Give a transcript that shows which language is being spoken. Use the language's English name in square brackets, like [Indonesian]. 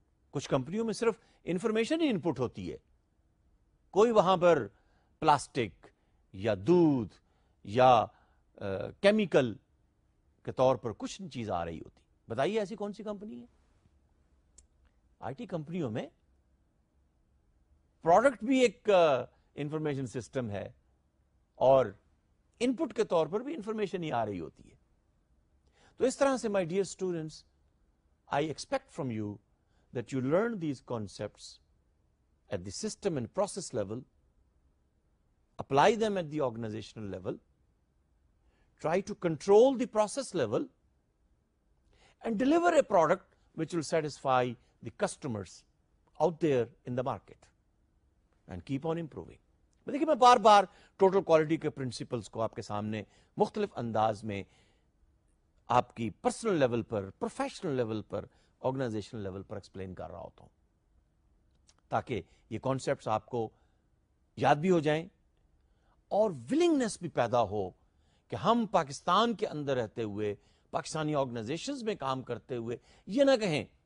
[Urdu] کچھ کمپنیوں میں صرف انفارمیشن ہی ان پٹ ہوتی ہے, کوئی وہاں پر پلاسٹک یا دودھ یا کیمیکل کے طور پر کچھ چیز آ رہی ہوتی. بتائیے ایسی کون سی کمپنی ہے. آئی ٹی کمپنیوں میں پروڈکٹ بھی ایک انفارمیشن سسٹم ہے اور ان پٹ کے طور پر بھی انفارمیشن ہی آ رہی ہوتی ہے. تو اس طرح سے [English] My dear students, I expect from you that you learn these concepts at the system and process level, apply them at the organisational level, try to control the process level and deliver a product which will satisfy the customers out there in the market and keep on improving. [Urdu] دیکھیے میں بار بار total quality کے principles کو آپ کے سامنے مختلف انداز میں آپ کی پرسنل لیول پر, پروفیشنل لیول پر, آرگنائزیشنل لیول پر ایکسپلین کر رہا ہوتا ہوں تاکہ یہ کانسیپٹس آپ کو یاد بھی ہو جائیں اور ولنگنیس بھی پیدا ہو کہ ہم پاکستان کے اندر رہتے ہوئے, پاکستانی آرگنائزیشنز میں کام کرتے ہوئے, یہ نہ کہیں,